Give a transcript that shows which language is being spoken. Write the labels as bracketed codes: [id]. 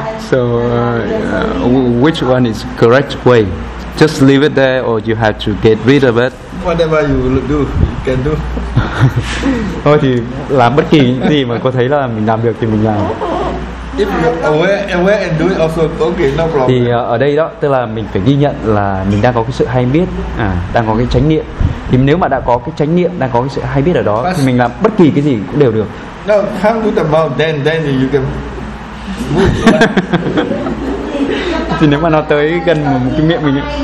[en] So which one is correct way? Just leave it there, or you have to get rid of it? Whatever you do, you can do. [vi] Thôi thì làm bất kỳ gì mà cô thấy là mình làm được thì mình làm. [en] If you're aware and do it also, okay, no problem. [vi] Thì ở đây đó, tức là mình phải ghi nhận là mình đang có cái sự hay biết, đang có cái chánh niệm. Thì nếu mà đã có cái chánh niệm, đang có cái sự hay biết ở đó, thì mình làm bất kỳ cái gì cũng đều được. [en] No, come to the mouth, then you can move. [vi] Thì nếu mà nó tới gần cái miệng mình.